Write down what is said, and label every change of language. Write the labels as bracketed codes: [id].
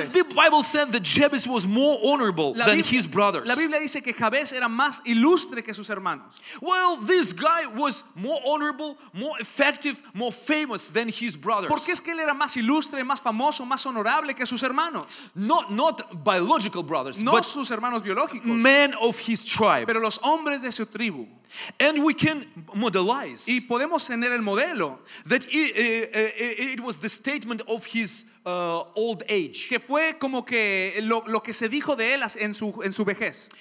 [en] And the Bible said that Jabez was more honorable than his brothers. [es] La Biblia dice que Jabez era más ilustre que sus hermanos. [en] Well, this guy was more honorable, more effective, more famous than his brothers. [es] ¿Por qué es que él era más ilustre, más famoso, más honorable que sus hermanos? [en] Not biological brothers, [es] no [en] but [es] sus hermanos biológicos. [en] Men of his tribe. [es] Pero los hombres de su tribu. [en] And we can modelize. [es] Y podemos tener el modelo [en] that it was the statement of his old age. [es] Que fue como que lo que se dijo de él en su vejez.